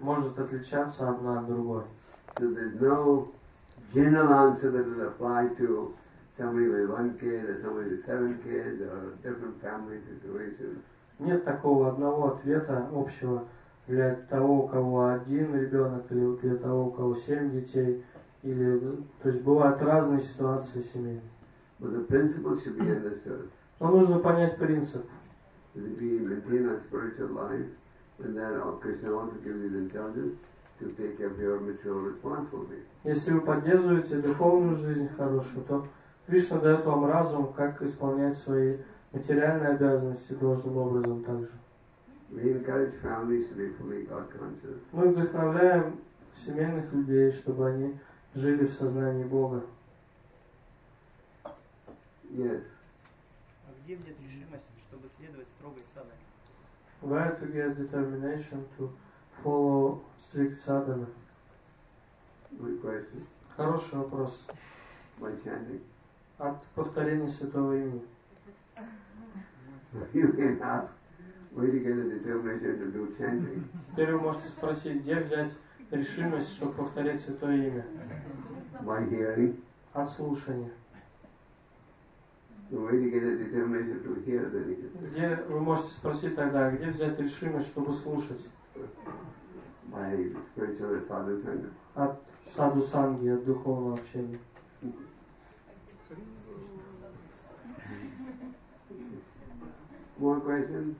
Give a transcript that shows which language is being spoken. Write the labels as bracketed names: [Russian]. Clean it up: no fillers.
[Russian] Может отличаться одна от другой. [English] So there's no general answer that will apply to somebody with one kid or somebody with seven kids or different family situations. [Russian] Нет такого одного ответа общего для того, у кого один ребенок, или для того, у кого семь детей, или, то есть, бывают разные ситуации в семье. [English] But the principle should be understood. [Russian] Но нужно понять принцип. [English] If we maintain our spiritual life, and then Krishna also gives you the intelligence to take care of your material responsibility. [Russian] Если вы поддерживаете духовную жизнь хорошую, то Кришна дает вам разум, как исполнять свои материальные обязанности должным образом также. [English] We encourage families to be fully God conscious. [Russian] Мы вдохновляем семейных людей, чтобы они жили в сознании Бога. [English] Yes. [Russian] А где взять решимость, чтобы следовать строгой садхане? [English] Where to get determination to follow strict sadhana? Good question. [Russian] Хороший вопрос. [English] By chanting. [Russian] От повторения святого имени. [English] You can ask. Where do you get the determination to do chanting? [Russian] Теперь вы можете спросить, где взять решимость, чтобы повторять святое имя? [English] By hearing. [Russian] От слушания. [English] So where do you get the determination to hear the name? [Russian] Где вы можете спросить тогда, где взять решимость, чтобы слушать? [English] By spiritual sadhu sangha. [Russian] От саду санги, от духовного общения. [English] More questions?